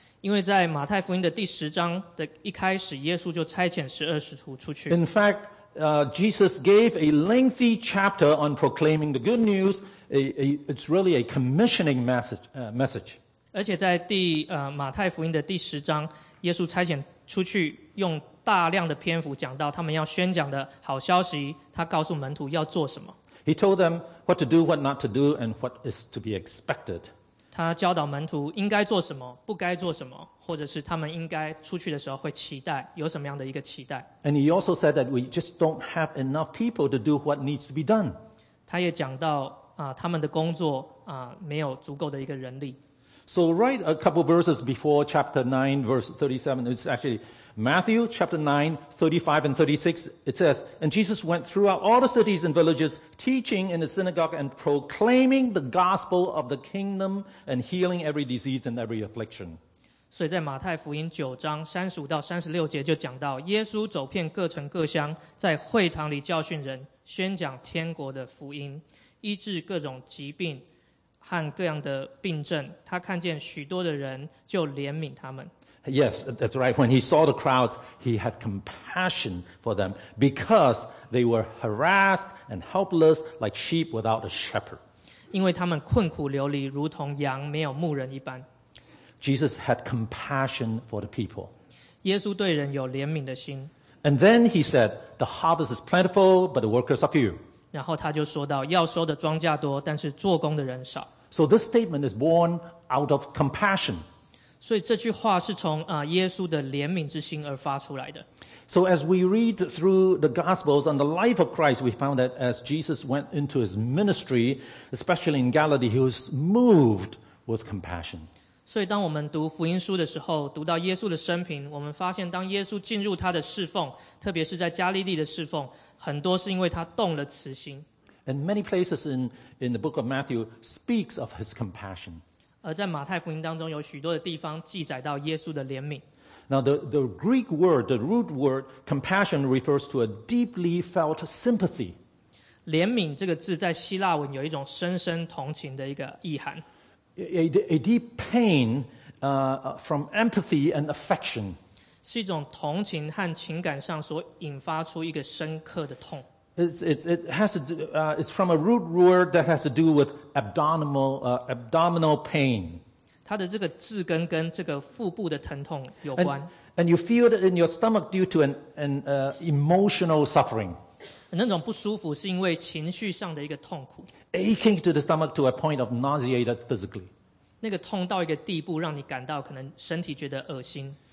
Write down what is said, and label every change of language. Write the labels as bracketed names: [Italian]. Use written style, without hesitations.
[Chinese] 因为在马太福音的第十章的一开始，耶稣就差遣十二使徒出去。 [English] In fact, Jesus gave a lengthy chapter on proclaiming the good news. It's really a commissioning message. [Chinese] 而且在马太福音的第十章，耶稣差遣出去，用大量的篇幅讲到他们要宣讲的好消息。他告诉门徒要做什么。 [English] He told them what to do, what not to do, and what is to be expected. [Chinese] 他教导门徒应该做什么，不该做什么，或者是他们应该出去的时候会期待，有什么样的一个期待。 [English] And he also said that we just don't have enough people to do what needs to be done. [Chinese] 他也讲到他们的工作没有足够的一个人力。 [English] So right a couple verses before chapter 9, verse 37, it's actually Matthew chapter 9, 35 and 36, it says, And Jesus went throughout all the cities and villages, teaching in the synagogue and proclaiming the gospel of the kingdom and healing every disease and every affliction. [Chinese] 所以在马太福音9章35到36节就讲到，耶稣走遍各城各乡，在会堂里教训人，宣讲天国的福音，医治各种疾病和各样的病症，他看见许多的人就怜悯他们。 [English] Yes, that's right. When he saw the crowds, he had compassion for them because they were harassed and helpless like sheep without a shepherd. [Chinese] 因为他们困苦流离，如同羊没有牧人一般。 [English] Jesus had compassion for the people. [Chinese] 耶稣对人有怜悯的心。 [English] And then he said, the harvest is plentiful, but the workers are few. [Chinese] 然后他就说到，要收的庄稼多，但是做工的人少。 [English] So this statement is born out of compassion. [Chinese] 所以这句话是从耶稣的怜悯之心而发出来的。 [English] So as we read through the Gospels on the life of Christ, we found that as Jesus went into his ministry, especially in Galilee, he was moved with compassion. [Chinese] 所以当我们读福音书的时候，读到耶稣的生平，我们发现当耶稣进入他的侍奉，特别是在加利利的侍奉，很多是因为他动了慈心。 [English] And many places in the book of Matthew speaks of his compassion. [Chinese] 而在马太福音当中有许多的地方记载到耶稣的怜悯。 [English] Now the Greek word, the root word, compassion refers to a deeply felt sympathy. [Chinese] 怜悯这个字在希腊文有一种深深同情的一个意涵。 [English] A deep pain from empathy and affection. [Chinese] 是一种同情和情感上所引发出一个深刻的痛。 [English] It's from a root word that has to do with abdominal pain. [Chinese] 它的这个字根跟这个腹部的疼痛有关。 [English] And you feel it in your stomach due to an emotional suffering. [Chinese] 那种不舒服是因为情绪上的一个痛苦。 [English] Aching to the stomach to a point of nauseated physically. [Chinese] 那个痛到一个地步，让你感到可能身体觉得恶心。